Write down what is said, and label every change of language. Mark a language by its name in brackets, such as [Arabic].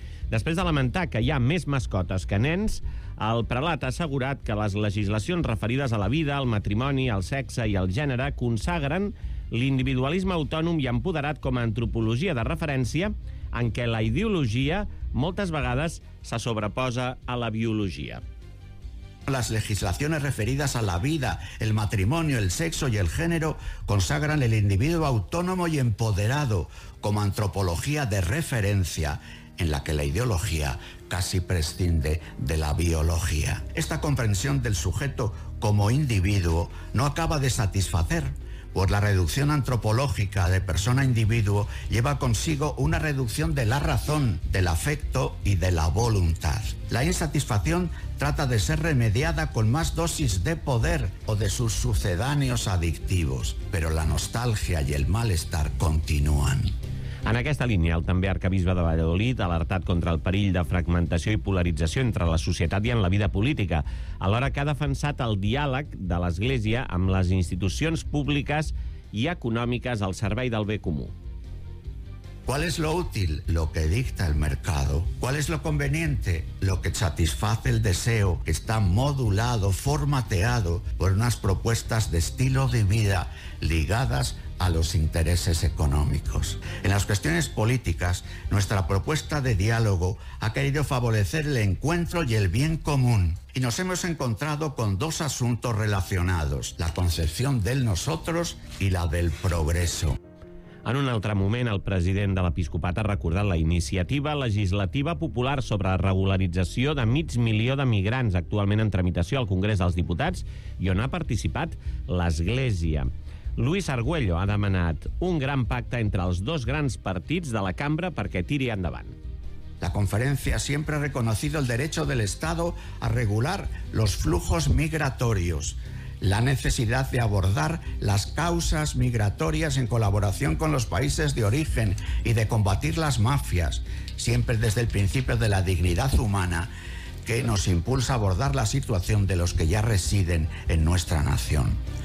[Catalan] Després de lamentar que hi ha més mascotes que nens, el prelat ha assegurat que les legislacions referides a la vida, al matrimoni, al sexe i al gènere consagren l'individualisme autònom i empoderat com a antropologia de referència en què la ideologia moltes vegades se sobreposa a la biologia. [Spanish] Las legislaciones referidas a la vida, el matrimonio, el sexo y el género consagran el individuo autónomo y empoderado como antropología de referencia en la que la ideología casi prescinde de la biología. Esta comprensión del sujeto como individuo no acaba de satisfacer, pues la reducción antropológica de persona a individuo lleva consigo una reducción de la razón, del afecto y de la voluntad. La insatisfacción trata de ser remediada con más dosis de poder o de sus sucedáneos adictivos, pero la nostalgia y el malestar continúan. [Catalan] En aquesta línia, el també arcabisbe de Valladolid ha alertat contra el perill de fragmentació i polarització entre la societat i en la vida política, alhora que ha defensat el diàleg de l'Església amb les institucions públiques i econòmiques al servei del bé comú. [Spanish] ¿Cuál es lo útil? Lo que dicta el mercado. ¿Cuál es lo conveniente? Lo que satisface el deseo, que está modulado, formateado por unas propuestas de estilo de vida ligadas a los intereses económicos. En las cuestiones políticas, nuestra propuesta de diálogo ha querido favorecer el encuentro y el bien común. Y nos hemos encontrado con dos asuntos relacionados, la concepción del nosotros y la del progreso. [Catalan] En un altre moment, el president de l'Episcopat ha recordat la iniciativa legislativa popular sobre regularització de 500.000 de migrants actualment en tramitació al Congrés dels Diputats i on ha participat l'Església. Luis Argüello ha demanat un gran pacte entre els dos grans partits de la cambra perquè tiri endavant. [Spanish] La conferencia siempre ha reconocido el derecho del Estado a regular los flujos migratorios, la necesidad de abordar las causas migratorias en colaboración con los países de origen y de combatir las mafias, siempre desde el principio de la dignidad humana, que nos impulsa a abordar la situación de los que ya residen en nuestra nación.